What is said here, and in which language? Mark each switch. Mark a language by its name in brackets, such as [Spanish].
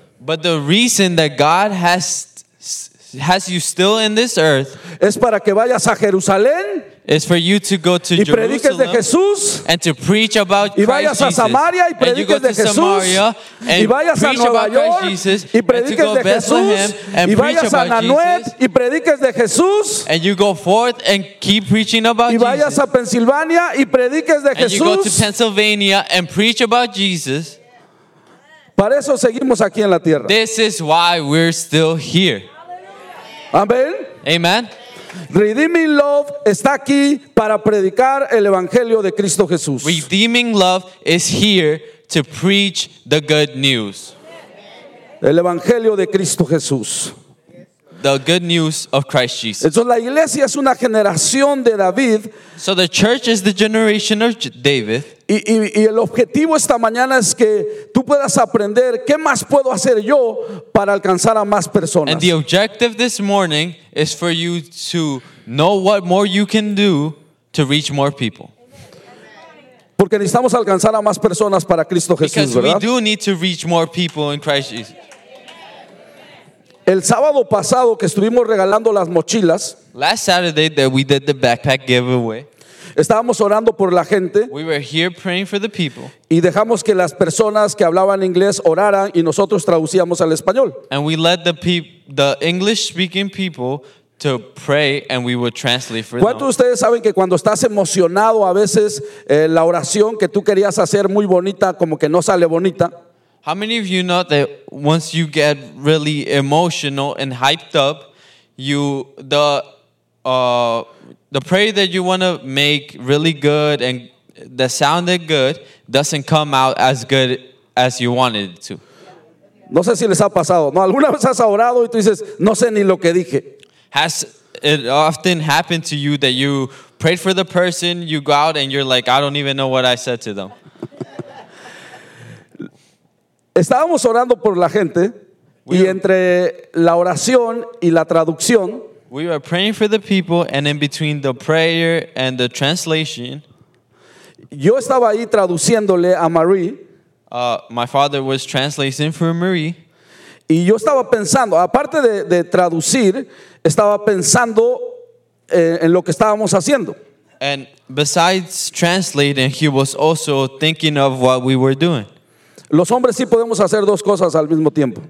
[English] But the reason that God has you still in this earth. [Spanish] Es para que vayas a Jerusalén. [English] is for you to go to Jerusalem and to preach about Christ Jesus. [Spanish] Y vayas a Samaria y prediques de Jesús. [English] And you go to Samaria and preach about Christ Jesus. [Spanish] Y prediques de Jesús. [English] And preach about Jesus. [Spanish] Y prediques de Jesús. [English] And you go forth and keep preaching about Jesus. [Spanish] Y vayas a Pensilvania y prediques de Jesús. [English] And you go to Pennsylvania and preach about Jesus. [Spanish] Para eso seguimos aquí en la tierra. [English] This is why we're still here. [Spanish] Amen. [English] Amen. [Spanish] Redeeming Love está aquí para predicar el evangelio de Cristo Jesús. [English] Redeeming Love is here to preach the good news. [Spanish] El evangelio de Cristo Jesús. [English] The good news of Christ Jesus. [Spanish] Entonces la iglesia es una generación de David. [English] So the church is the generation of David. [Spanish] Y el objetivo esta mañana es que tú puedas aprender qué más puedo hacer yo para alcanzar a más personas. [English] And the objective this morning is for you to know what more you can do to reach more people. [Spanish] Porque necesitamos alcanzar a más personas para Cristo Jesús, [English] because [Spanish] ¿verdad? [English] We do need to reach more people in Christ Jesus. [Spanish] El sábado pasado que estuvimos regalando las mochilas, [English] last Saturday that we did the backpack giveaway, [Spanish] estábamos orando por la gente. [English] We were here praying for the people. [Spanish] Y dejamos que las personas que hablaban inglés oraran y nosotros traducíamos al español. [English] And we let the English speaking people to pray and we would translate for them. [Spanish] ¿Cuántos de ustedes saben que cuando estás emocionado a veces la oración que tú querías hacer muy bonita como que no sale bonita? [English] How many of you know that once you get really emotional and hyped up, the prayer that you want to make really good and that sounded good doesn't come out as good as you wanted it to? [Spanish] No sé si les ha pasado. No, alguna vez has orado y tú dices, no sé ni lo que dije. [English] Has it often happened to you that you prayed for the person, you go out and you're like, I don't even know what I said to them? [Spanish] Estábamos orando por la gente y entre la oración y la traducción, [English] we were praying for the people and in between the prayer and the translation, [Spanish] yo estaba ahí traduciéndole a Marie. [English] My father was translating for Marie. [Spanish] Y yo estaba pensando, aparte de traducir, estaba pensando en lo que estábamos haciendo. [English] And besides translating, he was also thinking of what we were doing. [Spanish] Los hombres sí podemos hacer dos cosas al mismo tiempo.